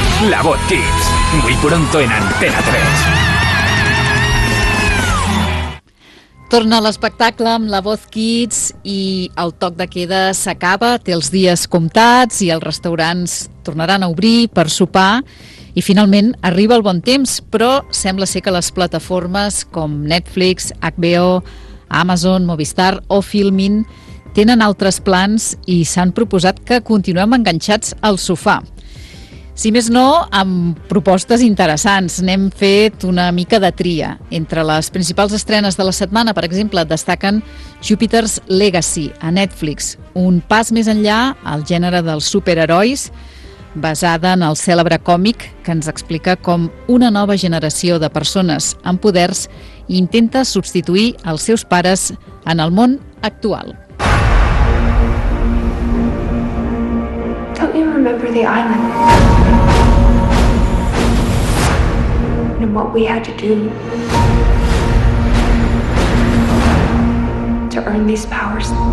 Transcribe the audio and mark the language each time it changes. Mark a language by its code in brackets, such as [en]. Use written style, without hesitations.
[es] La Voz Kids, muy pronto en Antena 3. [ca] Torna l'espectacle amb La Voz Kids i el toc de queda s'acaba, té els dies comptats i els restaurants tornaran a obrir per sopar i finalment arriba el bon temps, però sembla ser que les plataformes com Netflix, HBO, Amazon, Movistar o Filmin tenen altres plans i s'han proposat que continuem enganxats al sofà. Si més no, amb propostes interessants, n'hem fet una mica de tria. Entre les principals estrenes de la setmana, per exemple, destaquen Jupiter's Legacy a Netflix, un pas més enllà al gènere dels superherois, basada en el cèlebre còmic que ens explica com una nova generació de persones amb poders intenta substituir els seus pares en el món actual. [en] Don't you remember the island? And what we had to do to earn these powers?